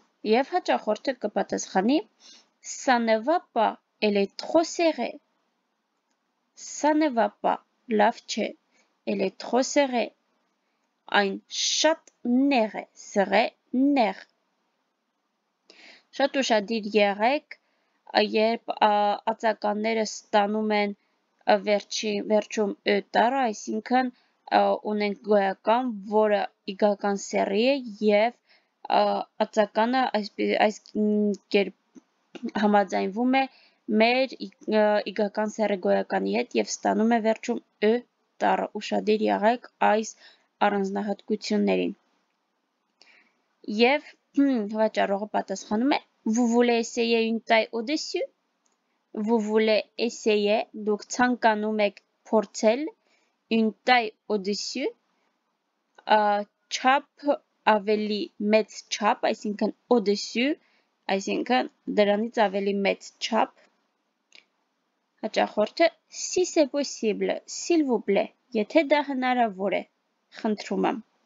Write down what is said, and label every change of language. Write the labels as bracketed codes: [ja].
[hy] Եվ հաճախորդը կպատասխանի [fr] Ça ne va pas, elle est trop serrée. Ça ne va pas, [hy] լավ չէ, [fr] elle est trop serrée. [hy] Այն շատ նեղ է, սրե նեղ։ Շատ ուշադիր եղեք, երբ ածականները ստանում են վերջում 7 տարը, այսինքն ունենք գոյական, որը իգական սերի է և ածականը այս կերպ համաձայնվում է մեր իգական սեռի գոյականի հետ և ստանում է վերջում ը տառը, ուշադիր եղեք այս առանձնահատկություններին։ Եվ վաճառողը պատասխանում է [fr] Vous voulez essayer une taille au-dessus? Vous voulez essayer, [hy] դուք ցանկանում եք փորձել [fr] une taille au-dessus? [hy] Չափ ավելի մեծ չափ, այսինքն au-dessus, այսինքն դրանից ավելի մեծ չափ։ Հաճախորդը [fr] Si c'est possible, s'il vous plaît, [hy] եթե դա հնարավոր է, խնդրում եմ։